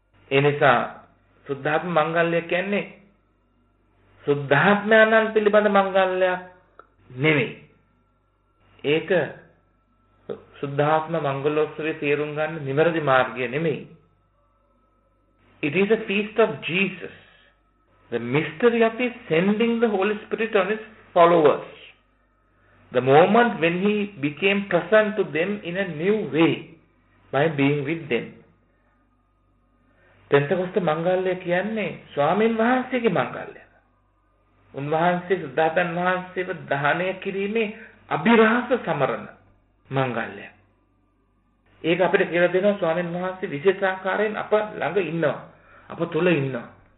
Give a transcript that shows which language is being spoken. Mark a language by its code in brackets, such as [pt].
[si] එනිසා සුද්ධාත්ම මංගල්‍ය කියන්නේ සුද්ධාත්මයන්න් පිළිබඳ මංගල්‍යයක් නෙමෙයි. ඒක සුද්ධාත්ම මංගලෝත්සවයේ තේරුම් ගන්න නිවැරදි මාර්ගය නෙමෙයි. [en] It is a feast of Jesus. The mystery of his sending the Holy Spirit on his followers. The moment when he became present to them in a new way by being with them. [si] පෙන්තකොස්ත මංගල්‍ය කියන්නේ ස්වාමීන් වහන්සේගේ මංගල්‍යය. උන්වහන්සේ සුද්ධාතන් වහන්සේව දහනය කිරීමේ අභිරහස සමරණ මංගල්‍යය. ඒක අපිට කියලා දෙනවා ස්වාමීන් වහන්සේ විශේෂ ආකාරයෙන් අප ළඟ ඉන්නවා. අප තුල ඉන්නවා.